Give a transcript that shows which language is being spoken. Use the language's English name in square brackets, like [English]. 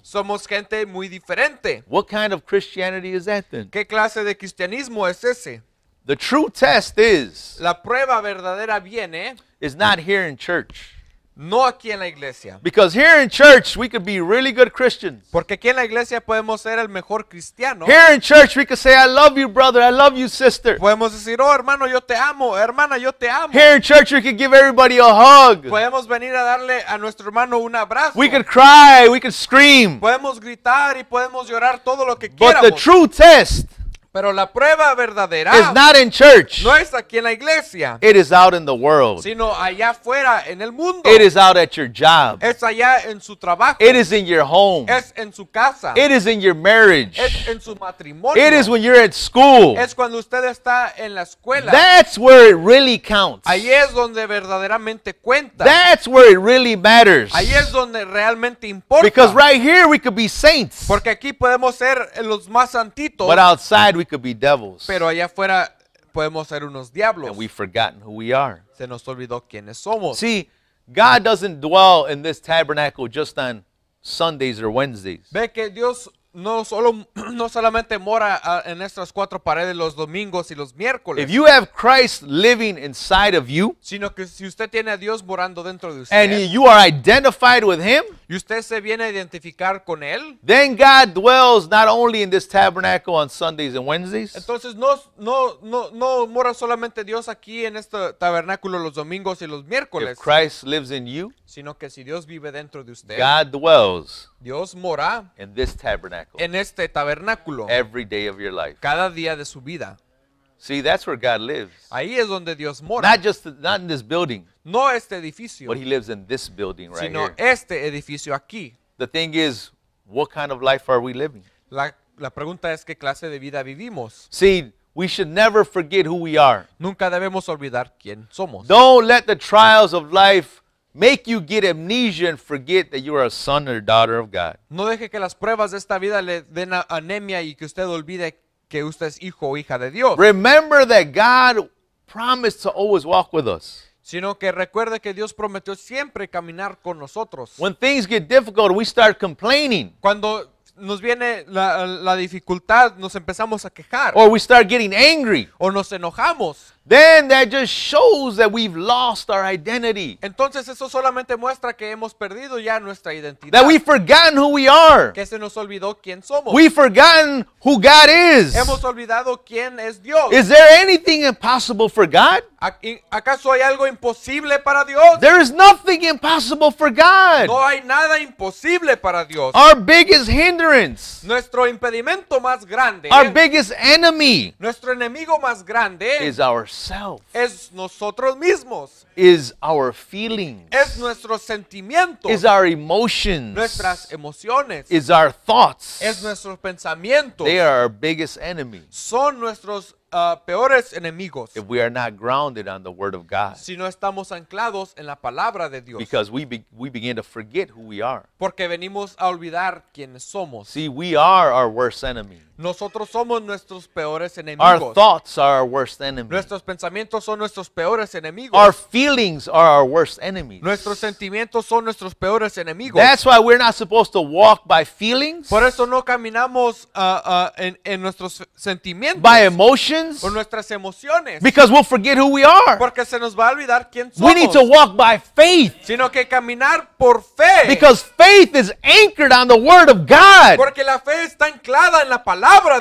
[Spanish] Somos gente muy diferente. [English] What kind of Christianity is that then? [Spanish] ¿Qué clase de cristianismo es ese? [English] The true test is, [Spanish] la prueba verdadera viene, [English] is not here in church. [Spanish] No aquí en la iglesia. [English] Because here in church we could be really good Christians. [Spanish] Porque aquí en la iglesia podemos ser el mejor cristiano. [English] Here in church we could say I love you brother, I love you sister. [Spanish] Podemos decir oh hermano yo te amo, hermana yo te amo. [English] Here in church we could give everybody a hug. [Spanish] Podemos venir a darle a nuestro hermano un abrazo. [English] We could cry, we could scream. [Spanish] Podemos gritar y podemos llorar todo lo que [English] but [Spanish] quieramos. [English] But the true test, [Spanish] pero la prueba verdadera, [English] is not in church. [Spanish] No es aquí en la iglesia. [English] It is out in the world. [Spanish] Sino allá afuera en el mundo. [English] It is out at your job. [Spanish] Es allá en su trabajo. [English] It is in your home. [Spanish] Es en su casa. [English] It is in your marriage. [Spanish] Es en su matrimonio. [English] It is when you're at school. [Spanish] Es cuando usted está en la escuela. [English] That's where it really counts. [Spanish] Ahí es donde verdaderamente cuenta. [English] That's where it really matters. [Spanish] Ahí es donde realmente importa. [English] Because right here we could be saints. [Spanish] Porque aquí podemos ser los más santitos. [English] But outside we could be devils. [Spanish] Pero allá afuera podemos ser unos diablos. [English] And we've forgotten who we are. [Spanish] Se nos olvidó quiénes somos. [English] See, God doesn't dwell in this tabernacle just on Sundays or Wednesdays. [Spanish] Ve que Dios no solamente mora en estas cuatro paredes los domingos y los miércoles. [English] If you have Christ living inside of you, [Spanish] sino que si usted tiene a Dios morando dentro de usted, [English] and you are identified with Him, [Spanish] y usted se viene a identificar con Él, [English] then God dwells not only in this tabernacle on Sundays and Wednesdays. [Spanish] Entonces no mora solamente Dios aquí en este tabernáculo los domingos y los miércoles. [English] If Christ lives in you, [Spanish] sino que si Dios vive dentro de usted, [English] God dwells, [Spanish] Dios mora [English] in this tabernacle, [Spanish] en este tabernáculo, [English] every day of your life, [Spanish] cada día de su vida. [English] See, that's where God lives. [Spanish] Ahí es donde Dios mora. [English] Not in this building. [Spanish] No este edificio. [English] But He lives in this building right [Spanish] sino [English] here. [Spanish] Sino este edificio aquí. [English] The thing is, what kind of life are we living? [Spanish] La pregunta es qué clase de vida vivimos. [English] See, we should never forget who we are. [Spanish] Nunca debemos olvidar quién somos. [English] Don't let the trials of life make you get amnesia and forget that you are a son or daughter of God. [Spanish] No deje que las pruebas de esta vida le den anemia y que usted olvide que usted es hijo o hija de Dios. [English] Remember that God promised to always walk with us. [Spanish] Sino que recuerde que Dios prometió siempre caminar con nosotros. [English] When things get difficult, we start complaining. [Spanish] Cuando nos viene la dificultad, nos empezamos a quejar. [English] Or we start getting angry. [Spanish] O nos enojamos. [English] Then that just shows that we've lost our identity. [Spanish] Entonces eso solamente muestra que hemos perdido ya nuestra identidad. [English] That we've forgotten who we are. [Spanish] Que se nos olvidó quién somos. [English] We've forgotten who God is. [Spanish] Hemos olvidado quién es Dios. [English] Is there anything impossible for God? [Spanish] ¿Acaso hay algo imposible para Dios? [English] There is nothing impossible for God. [Spanish] No hay nada imposible para Dios. [English] Our biggest hindrance. [Spanish] Nuestro impedimento más grande. [English] Our biggest enemy. [Spanish] Nuestro enemigo más grande. [English] Is our ourselves. [Spanish] Es nosotros mismos. [English] Is our feelings. [Spanish] Es nuestros sentimientos. [English] Is our emotions. [Spanish] Nuestras emociones. [English] Is our thoughts. [Spanish] Es nuestros pensamientos. [English] They are our biggest enemy. [Spanish] Son nuestros peores enemigos. [English] If we are not grounded on the word of God. [Spanish] Si no estamos anclados en la palabra de Dios. [English] Because we begin to forget who we are. [Spanish] Porque venimos a olvidar quiénes somos. [English] See, we are our worst enemy. [Spanish] Nosotros somos nuestros peores enemigos. [English] Our thoughts are our worst enemy. [Spanish] Nuestros pensamientos son nuestros peores enemigos. [English] Our feelings are our worst enemies. [Spanish] Nuestros sentimientos son nuestros peores enemigos. [English] That's why we're not supposed to walk by feelings. [Spanish] Por eso no caminamos en nuestros sentimientos. [English] By emotions. [Spanish] Por nuestras emociones. [English] Because we'll forget who we are. [Spanish] Porque se nos va a olvidar quién somos. [English] We need to walk by faith. [Spanish] Sino que caminar por fe. [English] Because faith is anchored on the word of God. [Spanish] Porque la fe está anclada en la palabra.